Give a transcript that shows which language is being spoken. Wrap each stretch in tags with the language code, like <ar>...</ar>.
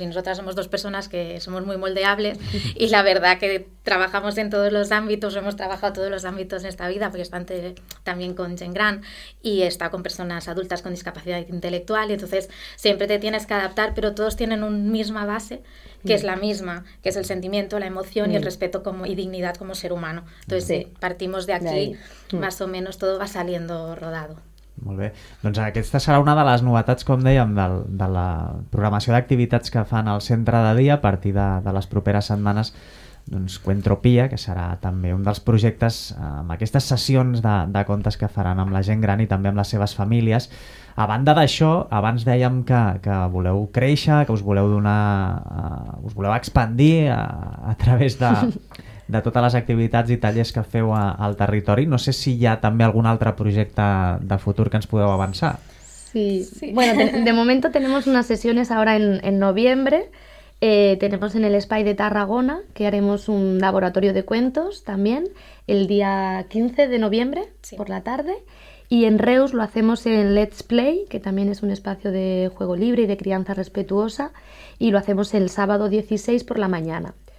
<es>Y nosotras somos dos personas que somos muy moldeables, y la verdad que trabajamos en todos los ámbitos, hemos trabajado todos los ámbitos en esta vida, porque está también con Jen Grant y está con personas adultas con discapacidad intelectual, y entonces siempre te tienes que adaptar, pero todos tienen una misma base, que es la misma, que es el sentimiento, la emoción y el respeto y dignidad como ser humano. Entonces partimos de aquí, más o menos todo va saliendo rodado.</es> <ca>Molt bé. Doncs aquesta serà una de les novetats, com dèiem, de la programació d'activitats que fan al centre de dia a partir de les properes setmanes. Doncs Cuentropia, que serà també un dels projectes amb aquestes sessions de contes que faran amb la gent gran i també amb les seves famílies. A banda d'això, abans dèiem que voleu créixer, que us voleu donar, us voleu expandir a través de totes les activitats i tallers que feu al territori. No sé si hi ha també algun altre projecte de futur que ens podeu avançar.</ca> <es>Sí. Bueno, de momento tenemos unas sesiones ahora en noviembre. Tenemos en el Espai de Tarragona, que haremos un laboratorio de cuentos también el día 15 de noviembre, por la tarde. Y en Reus lo hacemos en Let's Play, que también es un espacio de juego libre y de crianza respetuosa, y lo hacemos el sábado 16 por la mañana.</es>